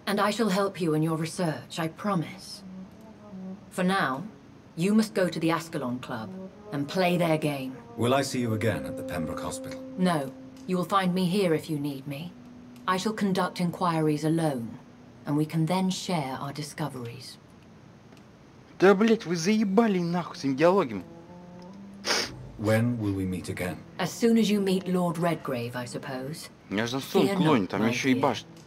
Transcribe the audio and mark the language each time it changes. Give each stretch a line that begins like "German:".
English: And I shall help you in your research, I promise. For now, you must go to the Ascalon Club and play their game. Will I see you again at the Pembroke Hospital? No. You will find me here if you need me. I shall conduct inquiries alone, and we can then share our discoveries.
Russian: Да, блядь, вы заебали нахуй с этим диалогом.
English: When will we meet again? As soon as you meet Lord Redgrave, I suppose.
Russian: Я же на стол клоню, там еще ебашит.